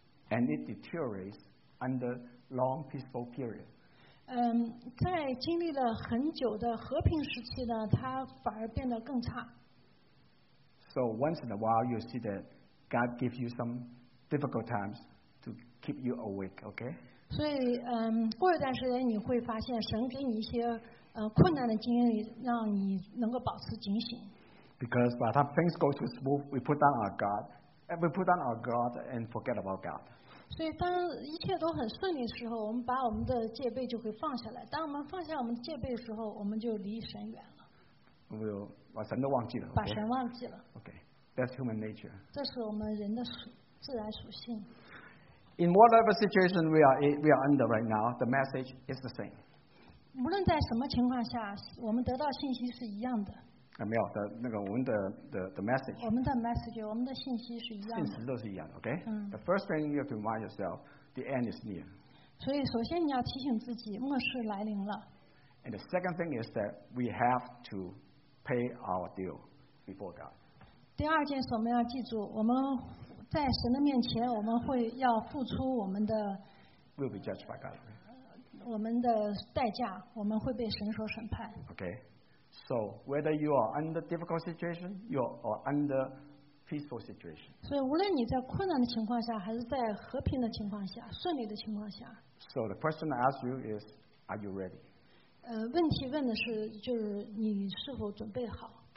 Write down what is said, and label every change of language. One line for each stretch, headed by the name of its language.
English: And it deteriorates under long peaceful periods.
Chinese: 在经历了很久的和平时期呢，它反而变得更差。
English: So once in a while, you see that God gives you some difficult times. Keep you awake, okay?
Chinese: 所以，过一段时间你会发现，神给你一些困难的经历，让你能够保持警醒。
English: Because by the time things go too smooth, we put down our guard, and we put down our guard and forget about God.
Chinese: 所以，当一切都很顺利的时候，我们把我们的戒备就会放下来。当我们放下我们的戒备的时候，我们就离神远了。我有把神都忘记了。把神忘记了。
English: Okay, that's human nature.
Chinese: 这是我们人的自然属性。
English: In whatever situation we are under right now, the message is the same.
Chinese: 无论在什么情况下，我们得到信息是一样的。没有的，那个我们的
English: the message.
Chinese: 我们的 message, 我们的信息是一样的。信息都是一样的 ，okay?
English: The first thing you have to remind yourself, the end is near.
Chinese: 所以首先你要提醒自己，末世来临了。
English: And the second thing is that we have to pay our deal before God.
Chinese: 第二件事我们要记住，我们。在神的面前，我们会要付出我们的。
English: Will be judged by God.
Chinese: 我们的代价，我们会被神所审判。
English: Okay, So whether you are under difficult situation or under peaceful situation.
Chinese: 所以无论你在困难的情况下，还是在和平的情况下，顺利的情况下。
English: So the question I ask you is, are you ready?
Chinese: 问题问的是，就是你是否准备好。